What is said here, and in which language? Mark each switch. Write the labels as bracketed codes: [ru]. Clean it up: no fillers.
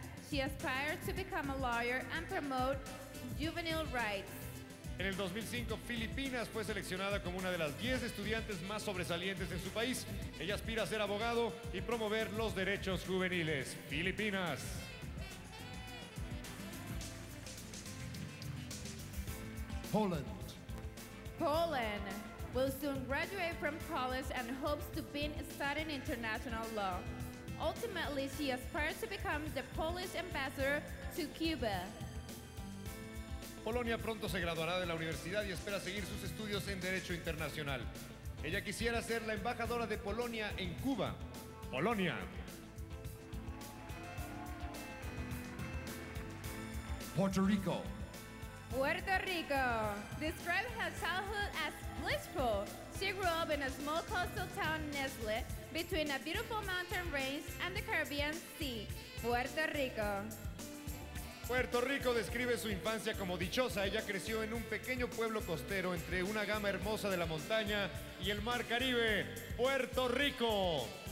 [en] She aspired to become a lawyer and promote juvenile rights. [es] En el 2005, Filipinas fue seleccionada como una de las 10 estudiantes más sobresalientes en su país. Ella aspira a ser abogado y promover los derechos juveniles. Filipinas. [en] Poland. Poland will soon graduate from college and hopes to begin studying international law. Ultimately, she aspires to become the Polish ambassador to Cuba. [es] Polonia pronto se graduará de la universidad y espera seguir sus estudios en Derecho Internacional. Ella quisiera ser la embajadora de Polonia en Cuba. Polonia. [en] Puerto Rico. Puerto Rico. Describe her childhood as blissful. She grew up in a small coastal town, Nestle, between a beautiful mountain range and the Caribbean Sea, Puerto Rico. [es] Puerto Rico describe su infancia como dichosa. Ella creció en un pequeño pueblo costero entre una gama hermosa de la montaña y el mar Caribe, Puerto Rico.